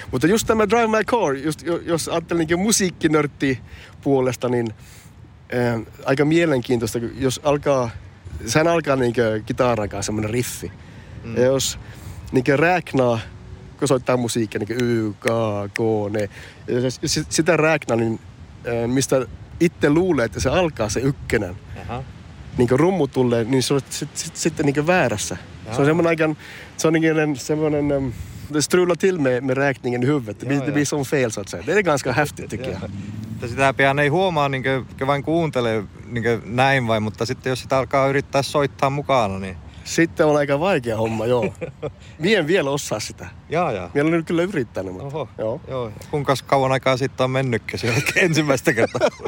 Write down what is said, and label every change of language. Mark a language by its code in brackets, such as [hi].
[fi] Mutta just tämä Drive My Car, jos ajattelin musiikkinörtti puolesta, niin aika mielenkiintoista, jos alkaa, sehän alkaa niinkö kitaran kanssa semmoinen riffi. Mm. Ja jos niinkö räknaa, kun soittaa musiikkia, niinkö y, k, k, ne, ja jos sitä räknaa, niin mistä itse luulee, että se alkaa se ykkönen, niinkö rummu tulee, niin se on sitten niinkö väärässä. Jaha. Se on semmoinen [sv] det strular till med räkningen i huvudet. Det blir som fel, så att säga. Det är ganska häftigt, tycker jag. [fi] Sitä pian ei huomaa, niin kuin vain kuuntelee niin kuin näin vai, mutta sitten jos sitä alkaa yrittää soittaa mukana, niin... Sitten on aika vaikea homma, joo. Mie en vielä osaa sitä. Jaa. Mie olen kyllä yrittänyt, mutta... Oho. Kuinka kauan aikaa sitten on mennytkö se ensimmäistä kertaa?